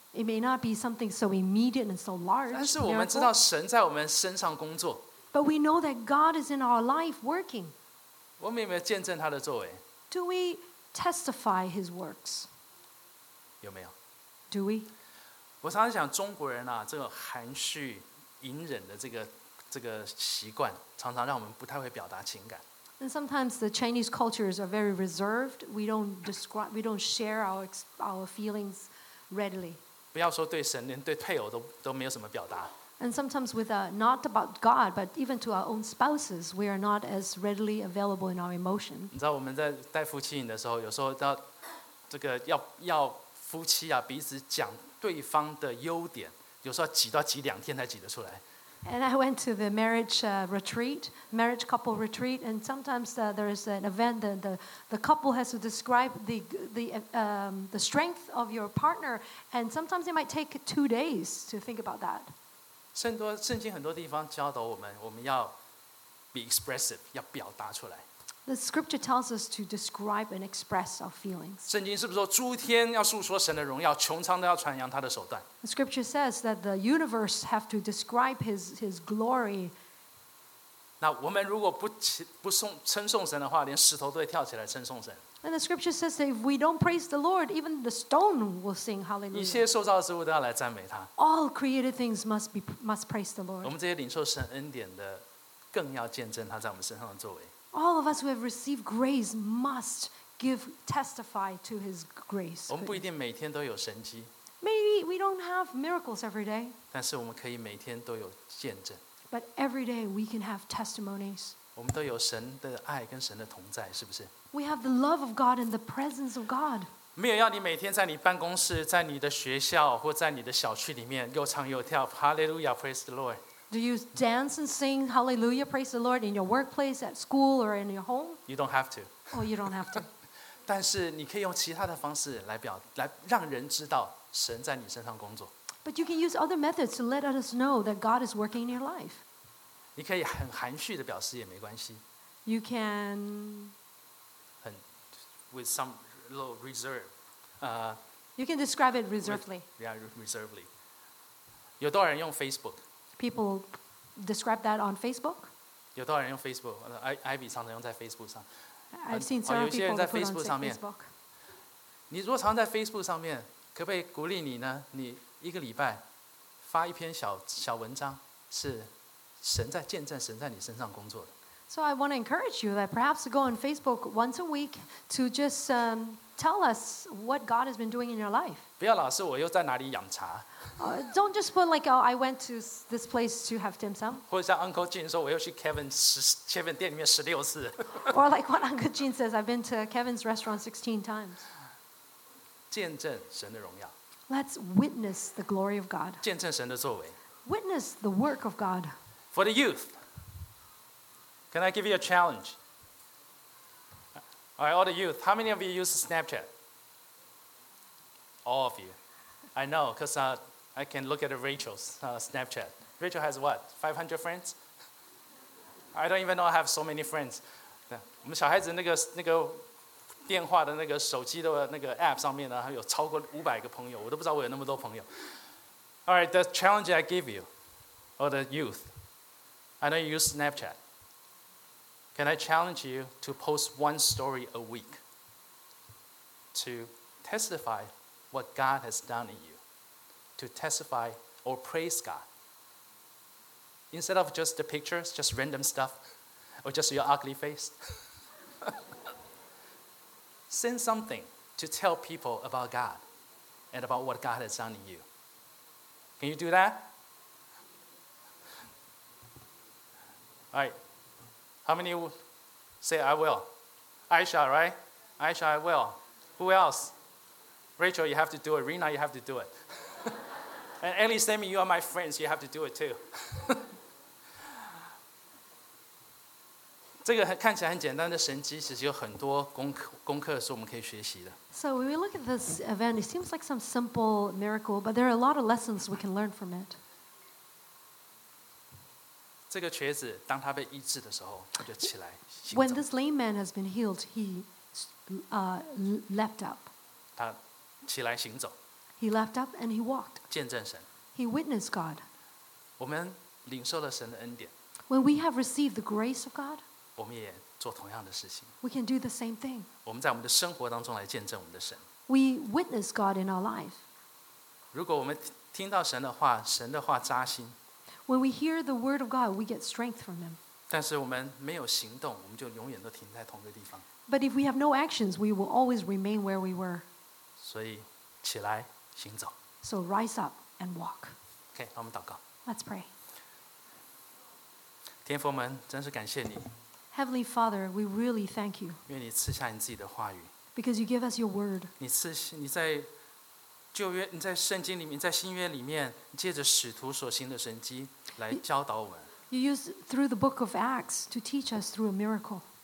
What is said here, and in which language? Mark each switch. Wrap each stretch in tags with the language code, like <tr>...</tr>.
<en>It may not be something so immediate and so large.</en> <zh>但是我们知道神在我们身上工作。</zh> <en>But we know that God is in our life working.</en> <zh>我们有没有见证他的作为？</zh> <en>Do we testify his works?</en> <zh>有没有？</zh> <en>Do we?</en> <zh>我常常想中国人啊，这个含蓄隐忍的这个习惯，常常让我们不太会表达情感。</zh> <en>And sometimes the Chinese cultures are very reserved. We don't share our feelings readily.</en> <zh>不要说对神，连对配偶都没有什么表达。</zh> <en>And sometimes with not about God, but even to our own spouses, we are not as readily available in our emotion.</en> <zh>你知道我们在带夫妻营的时候，有时候到这个要夫妻啊彼此讲对方的优点，有时候挤到挤两天才挤得出来。</zh> <en>And I went to the marriage retreat, marriage couple retreat, and sometimes there is an event that the couple has to describe the strength of your partner, and sometimes it might take 2 days to think about that.</en> <zh>圣经很多地方教导我们要</zh> <en>be expressive,</en> <zh>要表达出来。</zh> <en>The scripture tells us to describe and express our feelings.</en> <zh>圣经是不是说诸天要述说神的荣耀，穹苍都要传扬他的手段？</zh> <en>The scripture says that the universe have to describe his glory.</en> <zh>那我们如果不称颂神的话，连石头都会跳起来称颂神。</zh> <en>And the scripture says that if we don't praise the Lord, even the stone will sing hallelujah.</en> <zh>一切受造之物都要来赞美他。</zh> <en>All created things must praise the Lord.</en> <zh>我们这些领受神恩典的，更要见证他在我们身上的作为。</zh> <en>All of us who have received grace must give testify to His grace.</en> <zh>我们不一定每天都有神迹。</zh> <en>Maybe we don't have miracles every day.</en> <zh>但是我们可以每天都有见证。</zh> <en>But every day we can have testimonies.</en> <zh>我们都有神的爱跟神的同在，是不是？</zh> <en>We have the love of God and the presence of God.</en> <zh>没有要你每天在你办公室、在你的学校或在你的小区里面又唱又跳 ，</zh> <en>Hallelujah, praise the Lord. Do you dance and sing Hallelujah, praise the Lord in your workplace, at school, or in your home? You don't have to. Oh, you don't have to.</en> <zh>但是你可以用其他的方式来让人知道神在你身上工作。</zh> <en>But you can use other methods to let others know that God is working in your life.</en> <zh>你可以很含蓄的表示也没关系。</zh> <en>You can. With some little reserve. You can describe it reservedly. Reservedly.</en> <zh>有多少人用 Facebook?</zh> <en>People describe that on Facebook.</en> <zh>有多少人用 Facebook? Ivy 常常用在 Facebook 上。</zh> <en>I've seen several people.</en> <zh>有些人在 Facebook 上面。你如果常在 Facebook 上面，可不可以鼓励你呢？你一个礼拜发一篇小文章，是神在见证，神在你身上工作的。</zh> <en>So I want to encourage you that perhaps go on Facebook once a week to just tell us what God has been doing in your life.</en> <zh>不要老是我又在哪里养茶。</zh> <en>Don't just put like, oh, I went to this place to have dim sum.</en> <zh>或者像 Uncle Gene 说，我又去 Kevin 店里面16次。</zh> <en>Or like what Uncle Gene says, I've been to Kevin's restaurant 16 times.</en> <zh>见证神的荣耀。</zh> <en>Let's witness the glory of God.</en> <zh>见证神的作为。</zh> <en>Witness the work of God. For the youth, can I give you a challenge? All right, all the youth, how many of you use Snapchat? All of you. I know, because... I can look at Rachel's Snapchat. Rachel has what? 500 friends? I don't even know I have so many friends.</en> <zh>我们小孩子那个电话的那个手机的那个 app 上面呢，有超过500个朋友，我都不知道我有那么多朋友。</zh> <en>All right, the challenge I give you, or the youth, I know you use Snapchat. Can I challenge you to post one story a week to testify what God has done in you? To testify or praise God. Instead of just the pictures, just random stuff, or just your ugly face. Send something to tell people about God and about what God has done in you. Can you do that? All right. How many say I will? Aisha, right? Aisha, I will. Who else? Rachel, you have to do it. Rina, you have to do it. And Ellie, Sammy, you are my friends. You have to do it too.</en> <zh>这个看起来很简单的神迹，其实有很多功课是我们可以学习的。</zh> <en>So when we look at this event, it seems like some simple miracle, but there are a lot of lessons we can learn from it.</en> <zh>这个瘸子当他被医治的时候，他就起来。</zh> <en>When this lame man has been healed, he leapt up.</en> <zh>他起来行走。</zh> <en>He leapt up and he walked.</en> <zh>见证神。</zh> <en>He witnessed God.</en> <zh>我们领受了神的恩典。</zh> <en>When we have received the grace of God,</en> <zh>我们也做同样的事情。</zh> <en>We can do the same thing.</en> <zh>我们在我们的生活当中来见证我们的神。</zh> <en>We witness God in our life.</en> <zh>如果我们听到神的话，神的话扎心。</zh> <en>When we hear the word of God, we get strength from him.</en> <zh>但是我们没有行动，我们就永远都停在同一个地方。</zh> <en>But if we have no actions, we will always remain where we were.</en> <zh>所以起来。</zh> <en>So rise up and walk.</en> <zh>Okay, 那我们祷告。</zh> <en>Let's pray.</en> <zh>天父们，真是感谢你。</zh> <en>Heavenly Father, we really thank you.</en> <zh>愿你赐下你自己的话语。</zh> <en>Because you give us your word.</en> <zh>你在旧约，你在圣经里面，在新约里面，借着使徒所行的神迹来教导我们。</zh> <en>You use through the book of Acts to teach us through a miracle.</en>